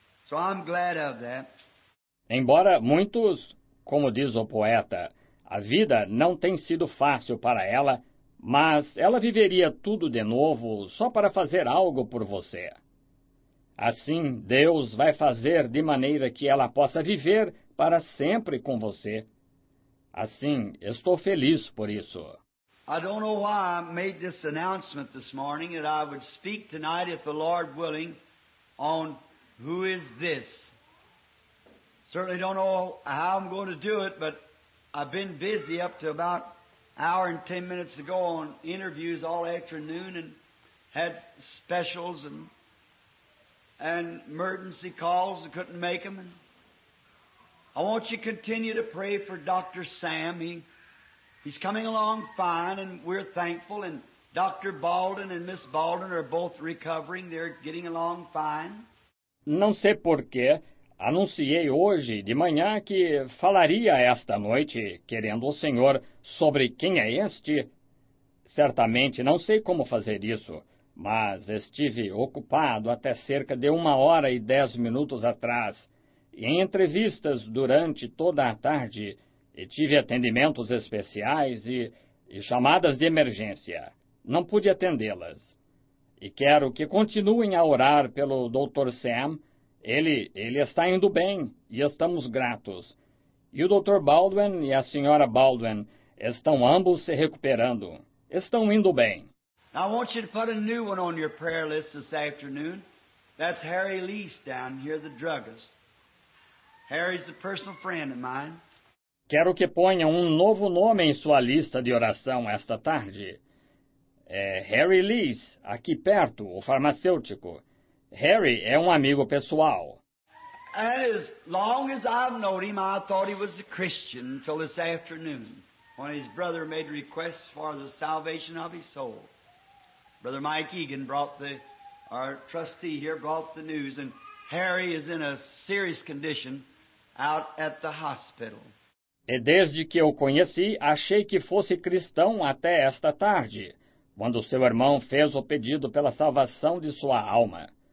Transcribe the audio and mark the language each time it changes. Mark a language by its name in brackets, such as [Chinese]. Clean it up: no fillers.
[English] So I'm glad of that. [Portuguese] Embora muitos, como diz o poeta, A vida não tem sido fácil para ela, mas ela viveria tudo de novo só para fazer algo por você. Assim, Deus vai fazer de maneira que ela possa viver para sempre com você. Assim, estou feliz por isso. [English] I don't know why I made this announcement this morning that I would speak tonight, if the Lord willing, on who is this. Certainly don't know how I'm going to do it, but I've been busy up to about an hour and 10 minutes ago on interviews all afternoon and had specials and emergency calls and couldn't make them. And I want you to continue to pray for Dr. Sam. He's coming along fine, and we're thankful. And Dr. Baldwin and Miss Baldwin are both recovering. They're getting along fine. [Portuguese] Não sei porquê, anunciei hoje de manhã que falaria esta noite, querendo o Senhor, sobre quem é este. Certamente não sei como fazer isso, mas estive ocupado até cerca de 1 hora e 10 minutos atrás, em entrevistas durante toda a tarde, e tive atendimentos especiais e chamadas de emergência. Não pude atendê-las. E quero que continuem a orar pelo Dr. Sam. Ele está indo bem, e estamos gratos. E o Dr. Baldwin e a Sra. Baldwin estão ambos se recuperando. Estão indo bem. [English] I want you to put a new one on your prayer list this afternoon. That's Harry Lease down here, the druggist. Harry's a personal friend of mine. [Portuguese] Quero que ponha um novo nome em sua lista de oração esta tarde. É Harry Lease, aqui perto, o farmacêutico. Harry é um amigo pessoal. [English] As long as I've known him, I thought he was a Christian until this afternoon, when his brother made requests for the salvation of his soul. Brother Mike Egan brought our trustee here brought the news, and Harry is in a serious condition out at the hospital. [Portuguese] E desde que eu conheci, achei que fosse cristão até esta tarde, quando seu irmão fez o pedido pela salvação de sua alma.